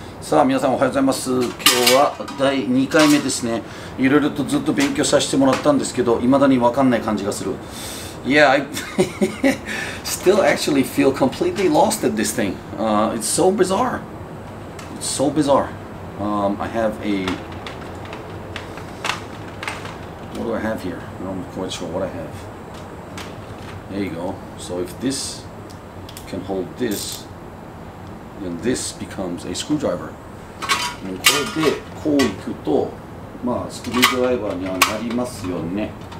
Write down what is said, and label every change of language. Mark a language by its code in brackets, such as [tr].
[ja] さあ、皆さんおはようございます。今日は第2回目ですね。いろいろとずっと勉強させてもらったんですけど、未だにわかんない感じがする。 [en] Yeah, I still actually feel completely lost at this thing. It's so bizarre. It's so bizarre. I have a... What do I have here? I'm quite sure what I have. There you go. So if this... can hold this, then this becomes a screwdriver. And [ja] これでこういくと、まあ、スクリュードライバーにはなりますよね。